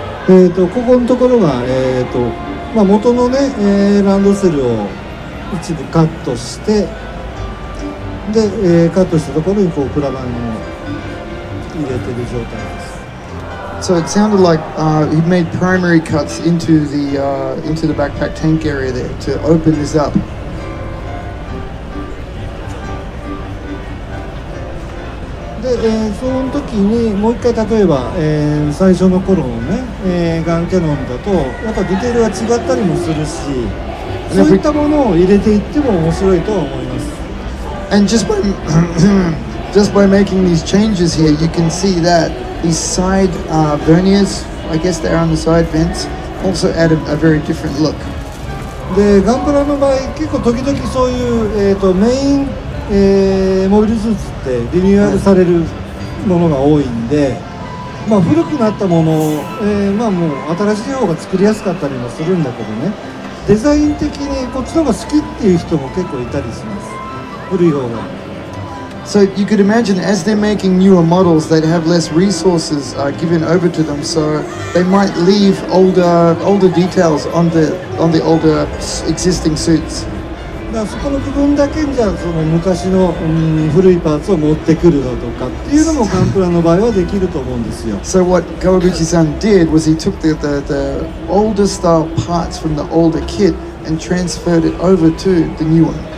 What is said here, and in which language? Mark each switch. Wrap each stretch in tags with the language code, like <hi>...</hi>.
<ja>ここのところが、まあ、元のね、ランドセルを一部カットしてで、カットしたところにこうプラバンを入れている状態です。</ja> <en>So it sounded like you made primary cuts into the backpack tank area there to open this up.</en> <ja>その時にもう一回例えば、最初の頃のね、ガンキャノンだとやっぱディテールが違ったりもするし、そういったものを入れていっても面白いと思います。</ja> <en>And just by making these changes here, you can see that these side verniers, I guess they are on the side vents, also add a very different look.</en> <ja>でガンプラの場合結構時々そういう、メインモビルスーツってリニューアルされるものが多いんで、まあ、古くなったもの、まあ、もう新しい方が作りやすかったりもするんだけどね、デザイン的にこっちの方が好きっていう人も結構いたりします、古い方が。</ja> <en>So you could imagine as they're making newer models, they'd have less resources given over to them, so they might leave older details on the older existing suits.</en> <ja>だそこの部分だけじゃその昔の、古いパーツを持ってくるだとかっていうのもガンプラの場合はできると思うんですよ。</ja> <en>So what Kawaguchi-san did was he took the older style parts from the older kit and transferred it over to the new one.</en>